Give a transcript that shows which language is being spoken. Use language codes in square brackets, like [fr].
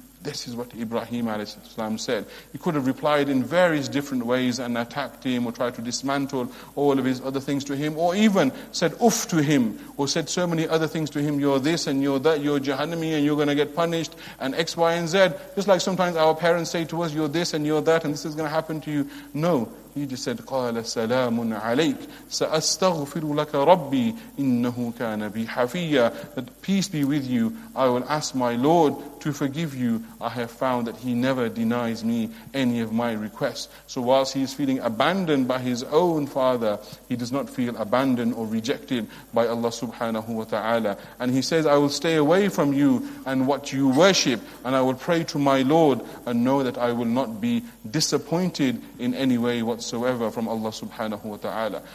[en] This is what Ibrahim alayhisalam said. He could have replied in various different ways and attacked him, or tried to dismantle all of his other things to him, or even said oof to him, or said so many other things to him, you're this and you're that, you're Jahannami and you're going to get punished, and X, Y, and Z. Just like sometimes our parents say to us, you're this and you're that, and this is going to happen to you. No, He just said, [ar] قَالَ سَلَامٌ عَلَيْكَ سَأَسْتَغْفِرُ لَكَ رَبِّي إِنَّهُ كَانَ بِي حَفِيًّا. [en] That peace be with you, I will ask my Lord to forgive you. I have found that he never denies me any of my requests. So whilst he is feeling abandoned by his own father, he does not feel abandoned or rejected by Allah subhanahu wa ta'ala. And he says, I will stay away from you and what you worship, and I will pray to my Lord and know that I will not be disappointed in any way whatsoever from Allah subhanahu wa ta'ala.